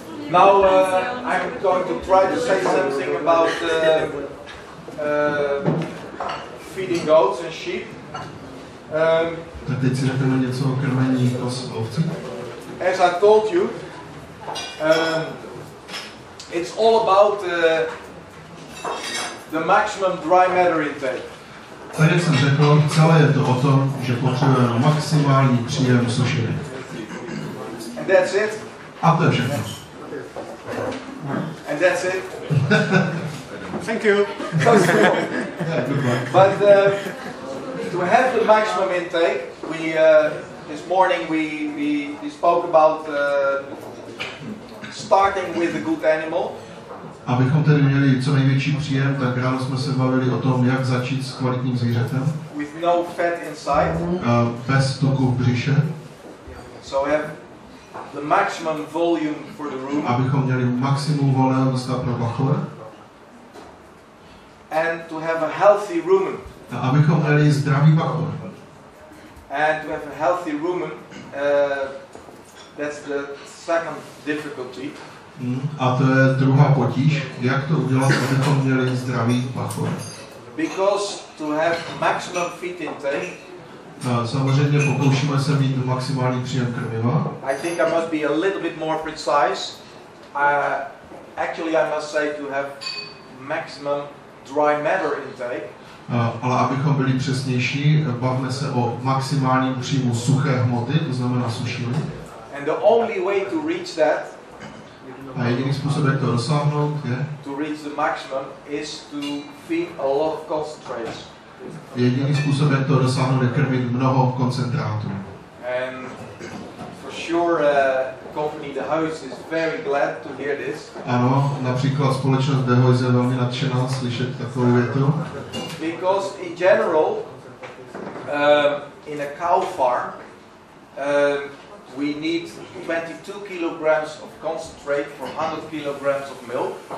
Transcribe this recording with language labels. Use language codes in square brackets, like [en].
[en] Now I'm going to try to say something about feeding goats and sheep. [cs] Tak teď si řekneme něco o krmení ovcí. [en] As I told you, it's all about the maximum dry matter intake. [cs] Tak jak jsem řekl, celé je to o tom, že potřebujeme maximální příjem sušiny. [en] And that's it. [cs] A to je všechno. [en] And that's it. Thank you. Yeah, but to have the maximum intake, we this morning we spoke about starting with a good animal. [cs] Abychom tedy měli co největší příjem, tak ráno jsme se bavili o tom, jak začít s kvalitním zvířetem. [en] With no fat inside. [cs] Bez tuku v břiše. [en] So we have the maximum volume for the room. [cs] Abychom měli maximum volnost pro bachole. [en] And to have a healthy rumen. [cs] A abychom měli zdravý bachor. [en] And to have a healthy rumen, that's the second difficulty. [cs] A to je druhá potíž. Jak to udělat, abychom měli zdravý bachor? [en] Because to have maximum feed intake. [cs] Samozřejmě pokoušíme se mít maximální příjem krmiva. [en] I think I must be a little bit more precise. Actually, I must say to have maximum dry matter intake. [cs] Ale abychom byli přesnější, bavme se o maximálním příjmu suché hmoty, to znamená sušiny. [en] And the only way to reach that. [cs] A jediný způsob, jak to dosáhnout, je. [en] To reach the maximum is to feed a lot of concentrates. [cs] Jediný způsob, jak to dosáhnout, je krmit mnoho koncentrátů. [en] And for sure, company The House is very glad to hear this. [cs] Ano, například společnost The House je velmi nadšená slyšet takovou větu. [en] Because in general, in a cow farm, we need 22 kilograms of concentrate for 100 kilograms of milk.